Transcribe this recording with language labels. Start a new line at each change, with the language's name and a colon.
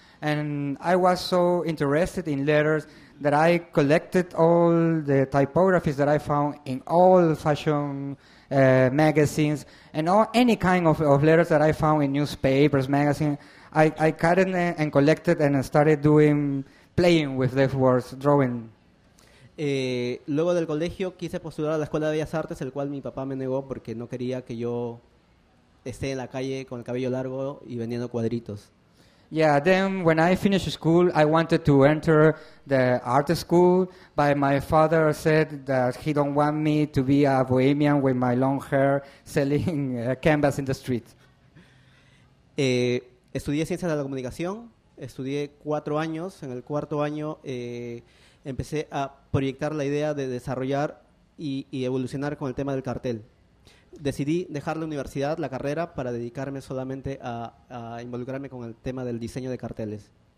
English: And I was so interested in letters that I collected all the typographies that I found in all fashion magazines and all any kind of letters that I found in newspapers, magazines. I cut it and collected and started doing, playing with these words, drawing.
Spanish: Luego del colegio quise postular a la Escuela de Bellas Artes, el cual mi papá me negó porque no quería que yo esté en la calle con el cabello largo y vendiendo cuadritos.
English: Yeah, then when I finished school, I wanted to enter the art school, but my father said that he don't want me to be a bohemian with my long hair selling canvas in the street.
Spanish: Estudié ciencias de la comunicación, estudié 4 años, en el cuarto año empecé a proyectar la idea de desarrollar y evolucionar con el tema del cartel. Decidí dejar la universidad, la carrera, para dedicarme solamente a involucrarme con el tema del diseño de carteles.